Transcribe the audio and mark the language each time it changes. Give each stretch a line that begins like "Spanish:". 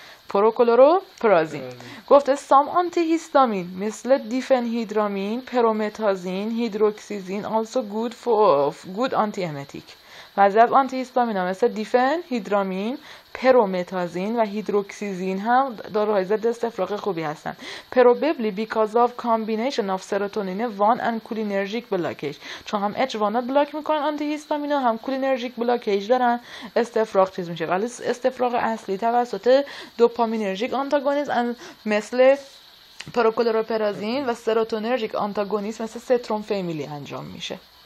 Persian: پروکلورو پرازین گفته سام آنتی هیستامین مثل دیفنهیدرامین پرومتازین هیدروکسیزین
English: also good for good
Persian: آنتی امتیک. بعضی از آنتی هیستامین ها مثل دیفنهیدرامین پرومتازین و هیدروکسیزین هم داروهای ضد استفراغ خوبی هستن.
English: Probably because of combination of serotonin 1 and cholinergic blockage.
Persian: چون هم H1 ها بلاک میکنن آنتی هیستامین ها، هم cholinergic blockage دارن استفراغ چیز میشه. ولی استفراغ اصلی توسط دوپامینرژیک آنتاگونیست مثل پروکلوروپرازین و سروتونرژیک آنتاگونیست مثل سترون فیمیلی انجام میشه.